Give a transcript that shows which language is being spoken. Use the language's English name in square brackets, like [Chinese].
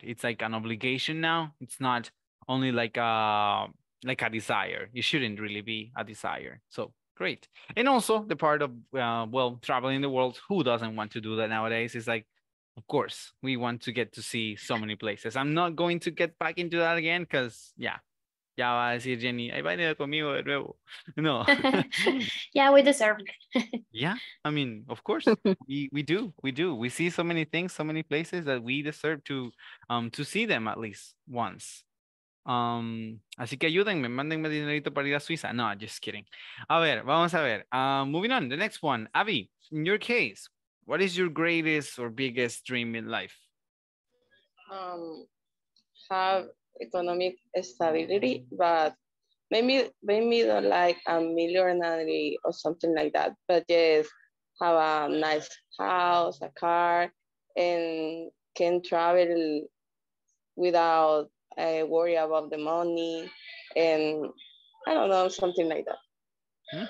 [English] It's like an obligation now. It's not only like a desire. It shouldn't really be a desire. So great. And also the part of, traveling the world, who doesn't want to do that nowadays? It's like, of course, we want to get to see so many places. I'm not going to get back into that again because, yeah. [Spanish] Ya va a decir Jenny, ahí va a ir conmigo de nuevo. No. [English] Yeah, we deserve it. Yeah, I mean, of course, we do. We see so many things, so many places that we deserve to see them at least once. [Spanish] Así que ayúdenme, mándenme dinerito para ir a Suiza. [English] No, just kidding. [Spanish] A ver, vamos a ver. [English] Moving on, the next one. Abby, in your case, what is your greatest or biggest dream in life? Have economic stability, but maybe don't like a millionaire or something like that, but yes, have a nice house, a car, and can travel without worry about the money, and I don't know, something like that.